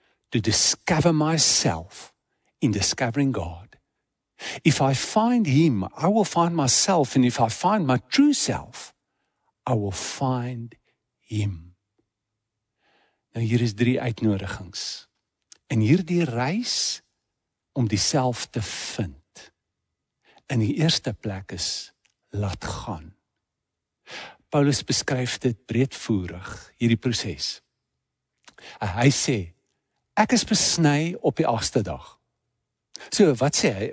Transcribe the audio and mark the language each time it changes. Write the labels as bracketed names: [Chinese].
[English] To discover myself in discovering God. If I find him, I will find myself, and if I find my true self, I will find him. [Afrikaans] Nou hier is drie uitnodigings. In hierdie reis om die self te vind. In die eerste plek is laat gaan. Paulus beskryf dit breedvoerig, hierdie proses. Hy sê, ek is besny op die 8de dag. So, wat sê hy?